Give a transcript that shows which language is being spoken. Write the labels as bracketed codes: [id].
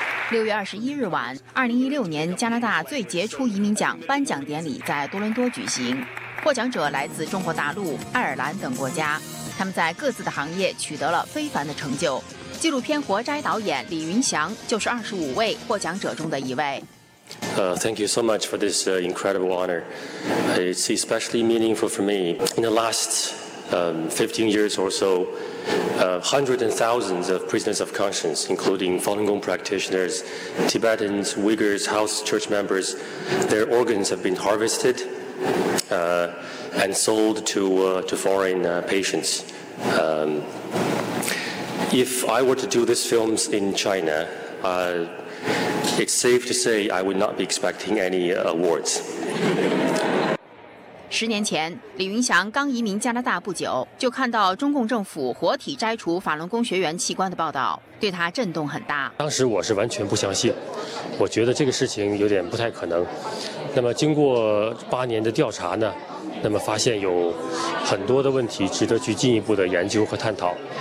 [zh] 6月21日晚，2016年加拿大最杰出移民奖颁奖典礼在多伦多举行，获奖者来自中国大陆、爱尔兰等国家，他们在各自的行业取得了非凡的成就。纪录片《活摘》导演李云祥就是25位获奖者中的一位。 [en] Thank you so much for this incredible honor. It's especially meaningful for me. In the last 15 years or so, hundreds and thousands of prisoners of conscience, including Falun Gong practitioners, Tibetans, Uyghurs, house church members, their organs have been harvested and sold to foreign patients. If I were to do these films in China, it's safe to say I would not be expecting any awards. [zh] 十年前，李云祥刚移民加拿大不久，就看到中共政府活体摘除法轮功学员器官的报道，对他震动很大。当时我是完全不相信，我觉得这个事情有点不太可能。那么经过8年的调查呢，那么发现有很多的问题值得去进一步的研究和探讨。